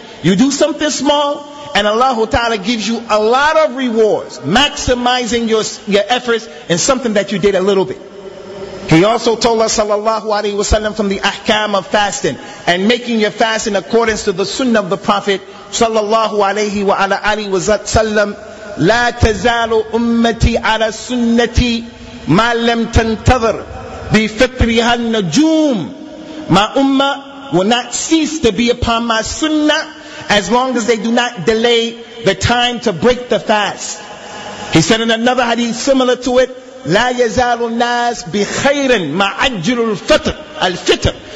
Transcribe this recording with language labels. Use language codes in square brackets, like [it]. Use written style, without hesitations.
[en] You do something small, and Allah Ta'ala gives you a lot of rewards, maximizing your efforts in something that you did a little bit. He also told us, sallallahu alayhi wa sallam, from the ahkam of fasting, and making your fast in accordance to the sunnah of the Prophet, sallallahu alayhi wa ala alihi wa sallam, [ar] لا تزال أمتي على سنتي ما لم تنتظر بفطرها النجوم. [en] My ummah will not cease to be upon my sunnah as long as they do not delay the time to break the fast. He said in another hadith similar to it, [ar] لا يزال الناس بخير مع عجل الفطر الفطر.